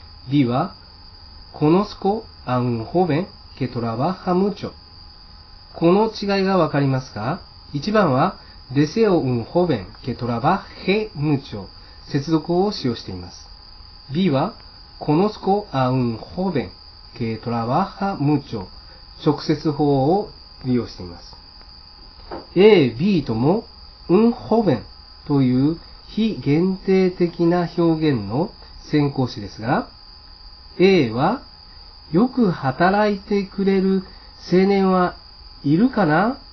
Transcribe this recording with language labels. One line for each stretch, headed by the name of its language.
Spanish: B は、conozco a un joven que trabaja mucho。
Japanese: この違いがわかりますか ?1 番は、
Spanish: deseo un joven que trabaje mucho。
Japanese: 接続を使用しています。
Spanish: B は、conozco a un joven que trabaja mucho。
Japanese: 直接法を利用しています。A、B とも、un joven という非限定的な表現の先行詞ですが、A は、よく働いてくれる青年はいるかな?